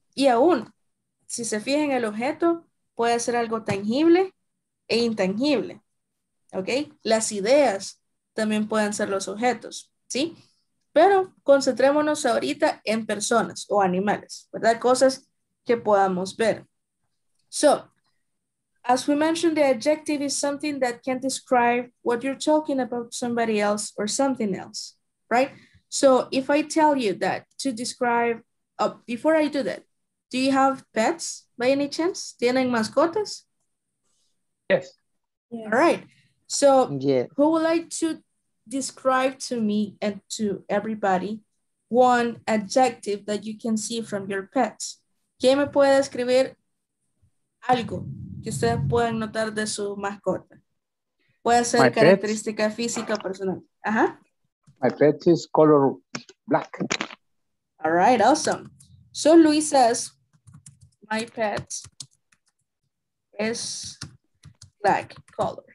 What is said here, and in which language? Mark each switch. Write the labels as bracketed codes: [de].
[es] Y aún, si se fijan en el objeto, puede ser algo tangible e intangible, ¿ok? Las ideas también pueden ser los objetos, ¿sí? Pero concentrémonos ahorita en personas o animales, ¿verdad? Cosas que podamos ver. [en] So, as we mentioned, the adjective is something that can describe what you're talking about somebody else or something else, right? So, if I tell you that to describe, oh, before I do that, do you have pets by any chance? [es] ¿Tienen mascotas? [en] Yes. All right. So, who would like to describe to me and to everybody one adjective that you can see from your pets? [es] ¿Quién me puede describir algo que ustedes pueden notar de su mascota? Puede ser característica física o personal. Ajá. [en] My pet is color black. All right, awesome. So Luis says, my pet is black color.